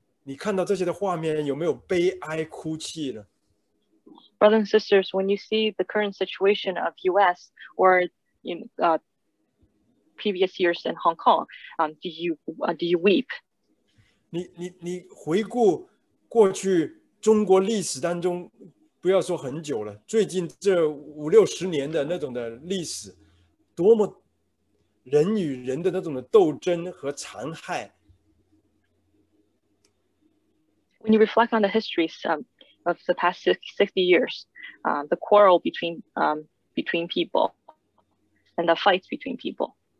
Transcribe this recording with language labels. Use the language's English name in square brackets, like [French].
[English] Brothers and sisters, when you see the current situation of U.S. or in previous years in Hong Kong, do you weep? [Chinese] 你回顾过去中国历史当中，不要说很久了，最近这五六十年的那种的历史，多么人与人的那种的斗争和残害。 [English] When you reflect on the history of the past 60 years, the quarrel between people and the fights between people.